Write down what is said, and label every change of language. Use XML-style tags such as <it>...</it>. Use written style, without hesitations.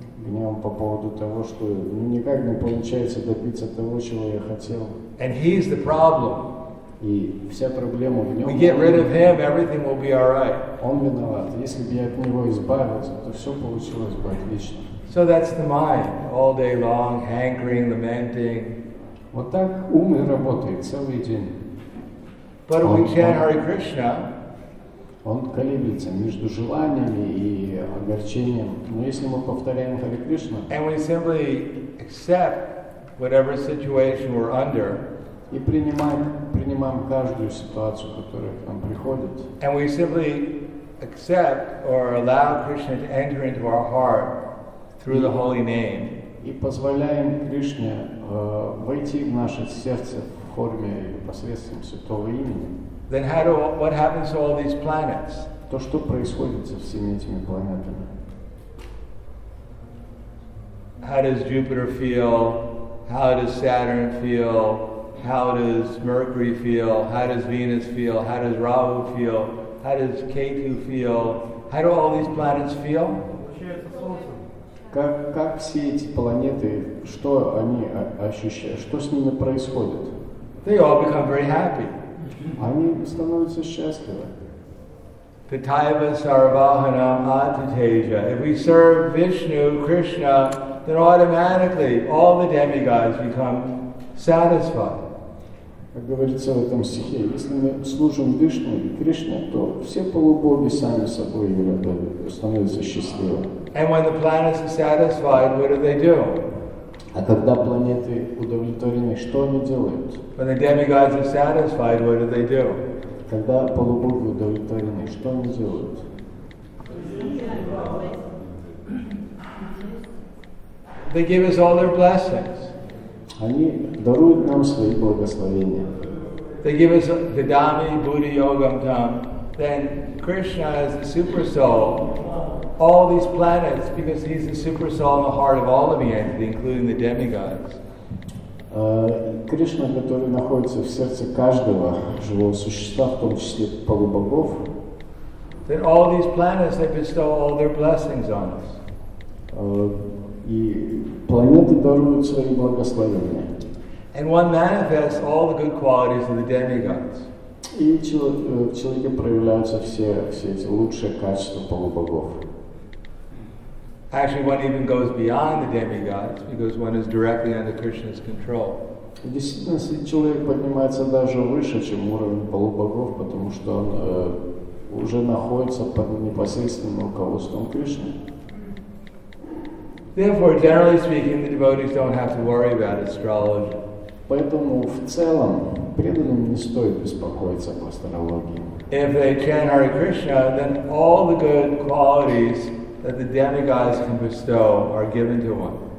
<ru>Гневом по поводу того, что никак не получается добиться того, чего я хотел.</ru> <en>And he's the problem.</en> <ru>И вся проблема в нем.</ru> <en>We get rid of him, everything will be all right.</en> <ru>Он виноват. Если бы я от него избавился, то все получилось бы отлично.</ru> <en>So that's the mind, all day long, hankering, lamenting.</en> <ru>Вот так ум и работает целый день.</ru> <en>But if we chant Hare Krishna.</en> <ru>Он колеблется между желаниями и огорчением. Но если мы повторяем Hare Krishna.</ru> <en>And we simply accept whatever situation we're under.</en> <ru>И принимаем каждую ситуацию, которая к нам приходит.</ru> <en>And we simply accept or allow Krishna to enter into our heart through the holy name.</en> <ru>И позволяем Кришне войти в наше сердце в форме или посредством святого имени.</ru> <en>Then what happens to all these planets?</en> <ru>То, что происходит со всеми этими планетами.</ru> <en>How does Jupiter feel? How does Saturn feel? How does Mercury feel? How does Venus feel? How does Rahu feel? How does Ketu feel? How do all these planets feel?</en> <ru>Как все эти планеты, что они ощущают, что с ними происходит?</ru> <en>They all become very happy.</en> <ru>Они становятся счастливы.</ru> <sa>Pitaiva Saravahana Atiteja.</sa> <en>If we serve Vishnu, Krishna, then automatically all the demigods become satisfied.</en> <ru>Как говорится в этом стихе, если мы служим Вишну и Кришне, то все полубоги сами собой становятся счастливы.</ru> <en>And when the planets are satisfied, what do they do?</en> <ru>А когда планеты удовлетворены, что они делают?</ru> <en>When the demigods are satisfied, what do they do?</en> <ru>Когда полубоги удовлетворены, что они делают?</ru> <en>They give us all their blessings.</en> <ru>Они даруют нам свои благословения.</ru> <en>They give us</en> <sa>Vidami, Buddhi, Yogam, Tam.</sa> <en>Then Krishna is the super soul. All these planets, because he's the super soul in the heart of all of the entity, including the demigods.</en> <ru>Кришна, который находится в сердце каждого живого существа, в том числе полубогов.</ru> <en>Then all these planets, they bestow all their blessings on us.</en> <ru>И планеты даруют свои благословения.</ru> <en>And one manifests all the good qualities of the demigods.</en> <ru>И в человеке проявляются все эти лучшие качества полубогов.</ru> <en>Actually, one even goes beyond the demigods because one is directly under Krishna's control.</en> <ru>Действительно, если человек поднимается даже выше, чем уровень полубогов, потому что он уже находится под непосредственным руководством Кришны.</ru> <en>Therefore, generally speaking, the devotees don't have to worry about astrology.</en> <ru>Поэтому в целом преданным не стоит беспокоиться об астрологии.</ru> <en>If they chant Hare Krishna, then all the good qualities that the demigods can bestow are given to one.</en>